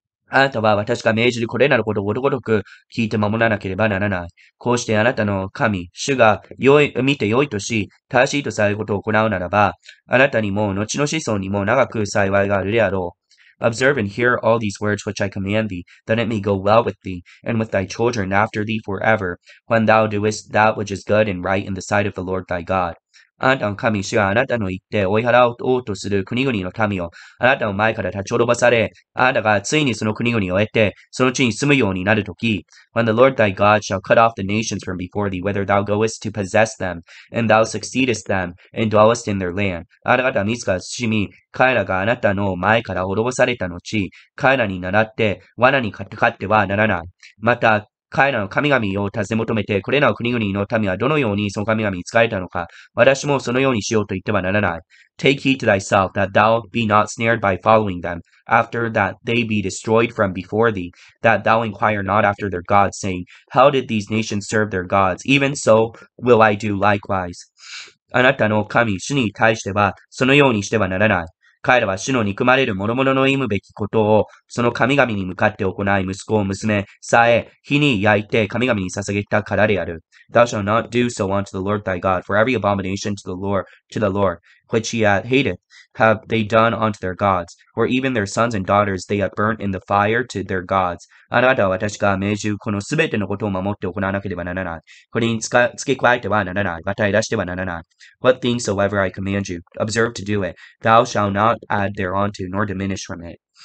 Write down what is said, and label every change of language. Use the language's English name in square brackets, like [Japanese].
[Japanese] あなたは私が命じるこれなることをごとごとく聞いて守らなければならない。こうしてあなたの神、主が良い、見て良いとし、正しいとされることを行うならば、あなたにも、後の子孫にも長く幸いがあるであろう。 [English] Observe and hear all these words which I command thee, that it may go well with thee, and with thy children after thee forever, when thou doest that which is good and right in the sight of the Lord thy God. [Japanese] あなたの神、主はあなたの言って追い払おうとする国々の民を、あなたの前から立ち滅ぼされ、あなたがついにその国々を得て、その地に住むようになるとき、 [English] When the Lord thy God shall cut off the nations from before thee, whether thou goest to possess them, and thou succeedest them, and dwellest in their land. [Japanese] あなた自ら進み、彼らがあなたの前から滅ぼされた後、彼らに倣って、罠にかかってはならない。また、彼らの神々を尋ね求めて、これらの国々の民はどのようにその神々に仕えたのか、私もそのようにしようと言ってはならない。 [English] Take heed to thyself, that thou be not snared by following them, after that they be destroyed from before thee, that thou inquire not after their gods, saying, How did these nations serve their gods? Even so will I do likewise. [Japanese] あなたの神、主に対しては、そのようにしてはならない。彼らは主の憎まれる諸々の忌むべきことを、その神々に向かって行い、息子を娘さえ、火に焼いて神々に捧げたからである。 [English] Thou shalt not do so unto the Lord thy God, for every abomination to the Lord, which he hath hated, have they done unto their gods, or even their sons and daughters they have burnt in the fire to their gods. [Japanese] あなたは私が命じるこのすべてのことを守って行わなければならない。これに付け加えてはならない。また出してはならない。 [English] What things soever I command you, observe to do it. Thou shalt not add thereunto, nor diminish from it.